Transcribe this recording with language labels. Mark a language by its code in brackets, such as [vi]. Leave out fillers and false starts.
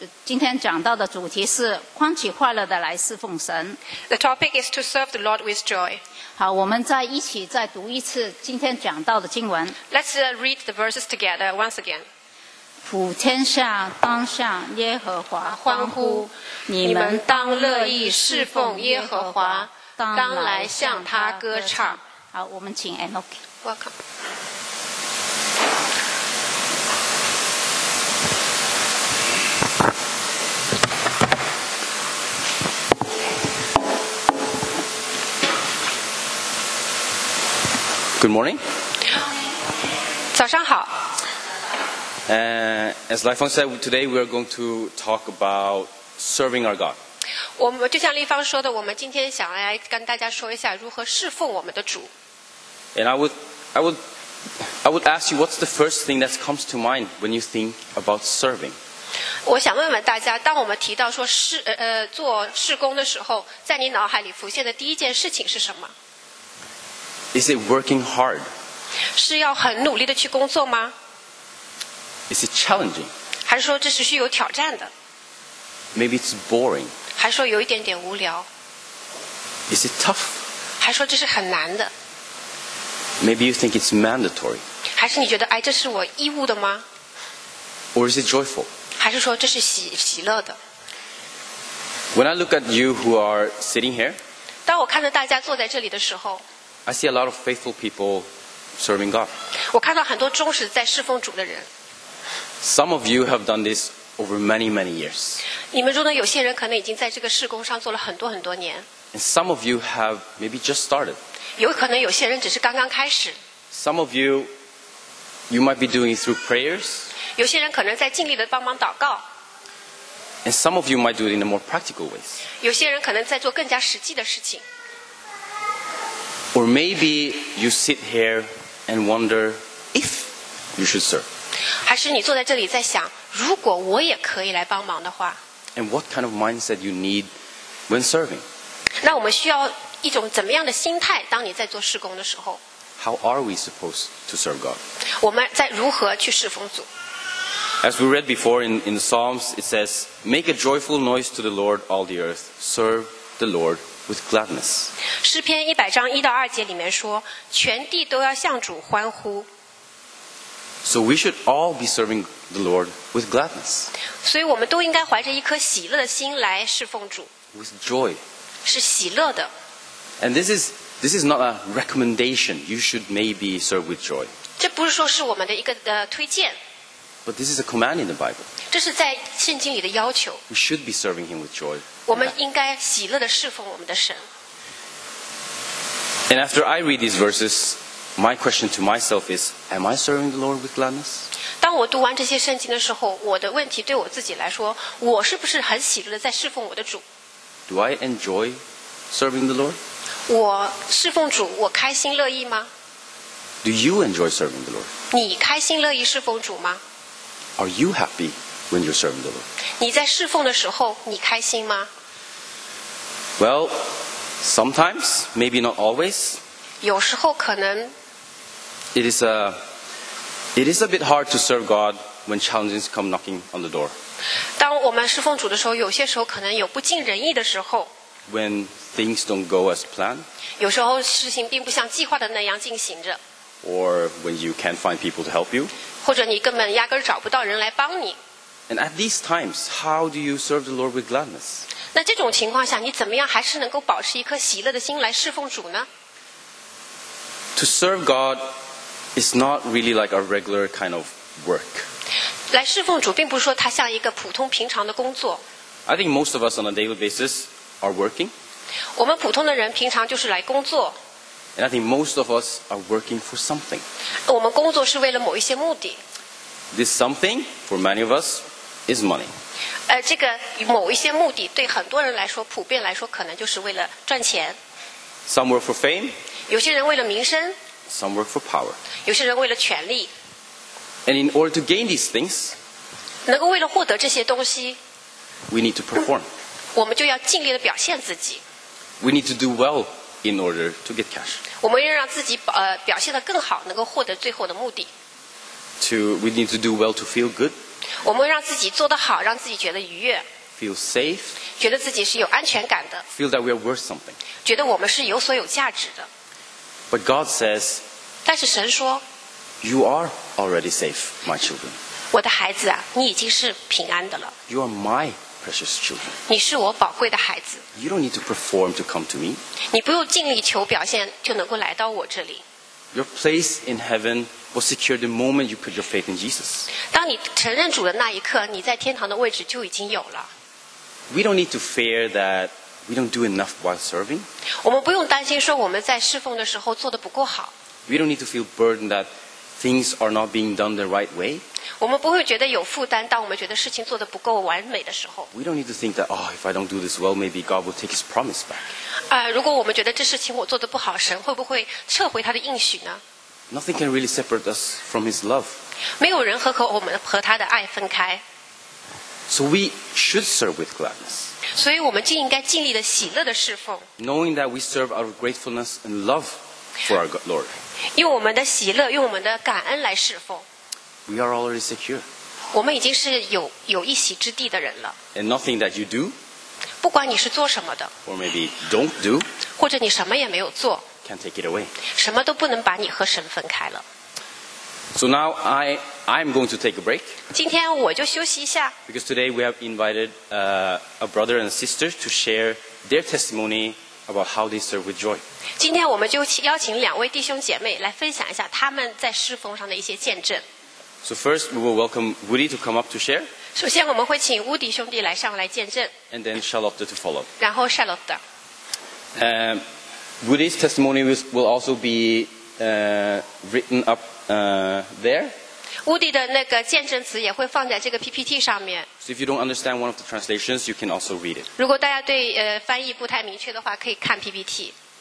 [zh] 今天讲到的主题是欢喜快乐的来侍奉神。 [en] The topic is to serve the Lord with joy. [zh] 好，我们再一起再读一次今天讲到的经文。 [en] Let's read the verses together once again. [zh] 普天下当向耶和华欢呼，你们当乐意侍奉耶和华，当来向他歌唱。好，我们请 Enoch。 [en] Welcome。 Good morning。 [zh] 早上好。 [en] As Lai Fang said, today we are going to talk about serving our God. [zh] 我们就像丽芳说的，我们今天想来跟大家说一下如何侍奉我们的主。 [en] And I would ask you, what's the first thing that comes to mind when you think about serving? [zh] 我想问问大家，当我们提到说做事工的时候，在你脑海里浮现的第一件事情是什么？ [en] Is it working hard? [zh] 是要很努力的去工作吗？ [en] Is it challenging? [zh] 还是说这是具有挑战的？ [en] Maybe it's boring. [zh] 还是说有一点点无聊？ [en] Is it tough? [zh] 还是说这是很难的？ [en] Maybe you think it's mandatory. [zh] 还是你觉得哎，这是我义务的吗？ [en] Or is it joyful? [zh] 还是说这是喜乐的？ [en] When I look at you who are sitting here, [zh] 当我看着大家坐在这里的时候， [en] I see a lot of faithful people serving God. [zh] 我看到很多忠实在侍奉主的人。 [en] Some of you have done this over many, many years. [zh] 你们中的有些人可能已经在这个事工上做了很多很多年。 [en] And some of you have maybe just started. [zh] 有可能有些人只是刚刚开始。 [en] Some of you, you might be doing it through prayers. [zh] 有些人可能在尽力的帮忙祷告。 [en] And some of you might do it in a more practical ways. [zh] 有些人可能在做更加实际的事情。 [en] Or maybe you sit here and wonder if you should serve. [zh] 还是你坐在这里在想，如果我也可以来帮忙的话。 [en] And what kind of mindset you need when serving? [zh] 那我们需要一种怎么样的心态，当你在做事工的时候。 [en] How are we supposed to serve God? [zh] 我们在如何去侍奉主。 [en] As we read before in the Psalms, it says, Make a joyful noise to the Lord, all the earth. Serve the Lord with gladness. [zh] 诗篇一百章一到二节里面说，全地都要向主欢呼。 [en] So we should all be serving the Lord with gladness. [zh] 所以我们都应该怀着一颗喜乐的心来侍奉主。 [en] With joy. [zh] 是喜乐的。 [en] And this is not a recommendation. You should maybe serve with joy. [zh] 这不是说是我们的一个推荐。 [en] But this is a command in the Bible. [zh] 这是在圣经里的要求。 [en] We should be serving Him with joy. [zh] 我们应该喜乐地侍奉我们的神。 [en] And after I read these verses,My question to myself is, am I serving the Lord with gladness? [zh] 当我读完这些圣经的时候，我的问题对我自己来说，我是不是很喜乐的在侍奉我的主？ [en] Do I enjoy serving the Lord? [zh] 我侍奉主，我开心乐意吗？ [en] Do you enjoy serving the Lord? [zh] 你开心乐意侍奉主吗？ [en] Are you happy when you're serving the Lord? [zh] 你在侍奉的时候，你开心吗？ [en] Well, sometimes, maybe not always. [zh] 有时候可能 [en] it is a bit hard to serve God when challenges come knocking on the door. [zh] 当我们侍奉主的时候，有些时候可能有不尽人意的时候。 [en] When things don't go as planned. [zh] 有时候事情并不像计划的那样进行着。 [en] Or when you can't find people to help you. [zh] 或者你根本压根找不到人来帮你。 [en] And at these times, how do you serve the Lord with gladness? [zh] 那这种情况下，你怎么样还是能够保持一颗喜乐的心来侍奉主呢？ [en] To serve God is not really like a regular kind of work. [zh] 来侍奉主并不是说它像一个普通平常的工作。 [en] I think most of us on a daily basis are working. [zh] 我们普通的人平常就是来工作。 [en] And I think most of us are working for something. [zh] 我们工作是为了某一些目的。 [en] This something, for many of us, is money. [zh] 这个某一些目的对很多人来说，普遍来说可能就是为了赚钱。 [en] Some work for fame. [zh] 有些人为了名声。 [en] Some work for power. [zh] 有些人为了权力。 [en] And in order to gain these things, [zh] 能够为了获得这些东西， [en] we need to perform. [zh] 我们就要尽力地表现自己。 [en] we need to do well in order to get cash. [zh] 我们要让自己表现得更好，能够获得最后的目的。 [en] We need to do well to feel good. [zh] 我们让自己做得好，让自己觉得愉悦。 [en] Feel safe. [zh] 觉得自己是有安全感的。 [en] Feel that we are worth something. [zh] 觉得我们是有所有价值的。 [en] But God says. [zh] 但是神说。 [en] You are already safe, my children. [zh] 我的孩子啊，你已经是平安的了。 [en] You are my precious children. [zh] 你是我宝贵的孩子。 [en] You don't need to perform to come to me. [zh] 你不用尽力求表现就能够来到我这里。 [en] Your place in heaven was secured the moment you put your faith in Jesus. [zh] 当你承认主的那一刻，你在天堂的位置就已经有了。 [en] We don't need to fear that we don't do enough while serving. [zh] 我们不用担心说我们在侍奉的时候做得不够好。 [en] We don't need to feel burdened that things are not being done the right way. [zh] 我们不会觉得有负担，当我们觉得事情做得不够完美的时候。 [en] We don't need to think that, oh, if I don't do this well, maybe God will take His promise back. [zh] 如果我们觉得这事情我做得不好，神会不会撤回他的应许呢？ [en] Nothing can really separate us from His love. [zh] 没有人和我们和他的爱分开。 [en] So we should serve with gladness. [zh] 所以我们就应该尽力的喜乐的侍奉。 [en] Knowing that we serve out of gratefulness and love for our Lord. [zh] 用我们的喜乐，用我们的感恩来侍奉。 [en] We are already secure. [zh] 我们已经是有一席之地的人了。 [en] And nothing that you do. [zh] 不管你是做什么的。 [en] Or maybe don't do. [zh] 或者你什么也没有做。 [en] Can't take it away. [zh] 什么都不能把你和神分开了。 [en] So now I'm going to take a break. [zh] 今天我就休息一下。 [en] Because today we have invited a brother and a sister to share their testimony about how they serve with joy. [zh] 今天我们就邀请两位弟兄姐妹来分享一下他们在侍奉上的一些见证。 [en] So first, we will welcome Woody to come up to share. [zh] 首先我们会请 Woody 兄弟来上来见证。 [en] And then Charlotte to follow. [zh] 然后 Charlotte. [en] Woody's testimony will also be written up there. [zh] Woody 的那个见证词也会放在这个 PPT 上面。 [en] So if you don't understand one of the translations, you can also read it. [zh] 如果大家对翻译不太明确的话，可以看 PPT。